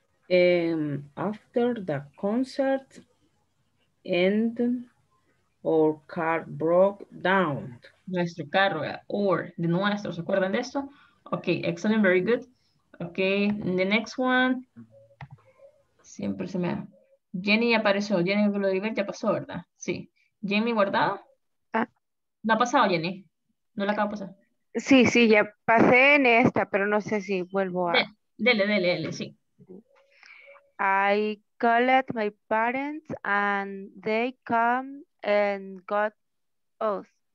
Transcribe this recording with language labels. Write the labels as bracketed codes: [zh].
[en] After the concert ended, our car broke down. [es] Nuestro carro, or de nuestro, ¿se acuerdan de esto? [en] Okay, excellent, very good. Okay, the next one. [es] Siempre se me ha... Jenny apareció. Jenny Glorivel ya pasó, ¿verdad? Sí. ¿Jenny guardado? Ah. ¿No ha pasado, Jenny? ¿No la acaba de pasar? Sí, sí, ya pasé en esta, pero no sé si vuelvo a... Dele, sí. [en] I called my parents and they come and got us.